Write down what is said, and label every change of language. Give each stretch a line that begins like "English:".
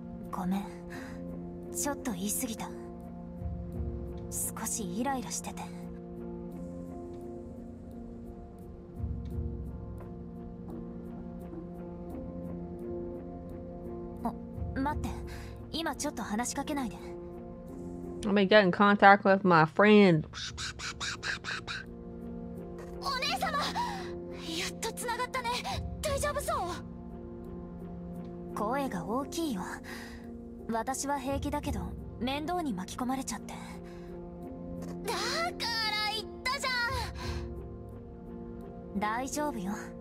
Japanese: ごめん、ちょっと言い過ぎた。少しイライラしてて。お、待って、今ちょっと話しかけないで。
English: Let me get in contact with my friend.
Japanese: お姉様、やっと繋がったね。大丈夫そう？声が大きいよ。私は平気だけど、面倒に巻き込まれちゃって。だから言ったじゃん。大丈夫よ。